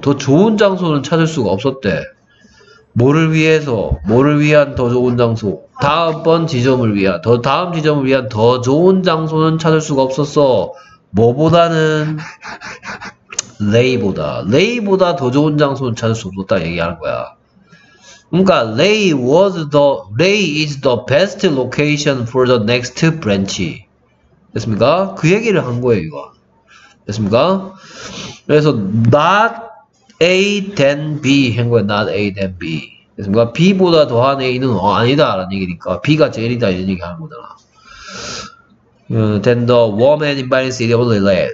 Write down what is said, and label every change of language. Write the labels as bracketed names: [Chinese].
[Korean] 더 좋은 장소는 찾을 수가 없었대. 뭐를 위해서? 뭐를 위한 더 좋은 장소? 다음번 지점을 위한 더 다음 지점을 위한 더 좋은 장소는 찾을 수가 없었어. 뭐보다는 레이보다 더 좋은 장소는 찾을 수 없었다 얘기하는 거야. 그러니까 [English] Ray is the best location for the next branch. [Korean] 됐습니까? 그 얘기를 한 거예요, 이거. 됐습니까? 그래서 not A then B 한 거예요. [English] Not A then B. [Korean] 됐습니까? B보다 더한 A는 아니다 라는 얘기니까 B가 제일이다 이런 얘기 하는 거잖아. [English] Then the warm and inviting city of Raleigh.